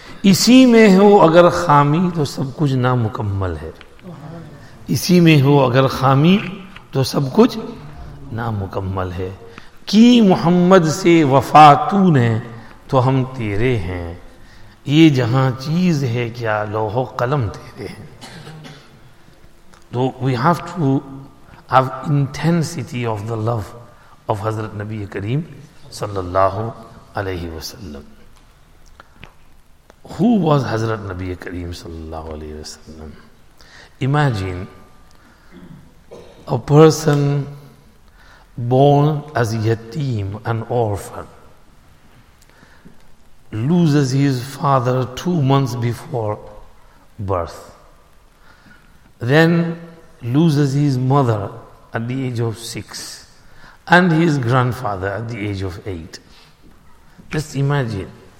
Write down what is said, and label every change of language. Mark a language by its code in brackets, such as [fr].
[ur] اسی میں ہو اگر خامی تو سب کچھ نامکمل ہے. اسی میں ہو اگر خامی تو سب کچھ نامکمل ہے. کی محمد سے وفا تو نے تو ہم تیرے ہیں. یہ جہاں چیز ہے کیا لوح و قلم تیرے ہیں. [en] تو we have to have intensity of the love of Hazrat Nabi Kareem sallallahu alayhi wa sallam. Who was Hazrat Nabi Kareem sallallahu alayhi wa sallam? Imagine a person born as a yatim, an orphan, loses his father 2 months before birth, then loses his mother at the age of 6, and his grandfather at the age of 8. Just imagine.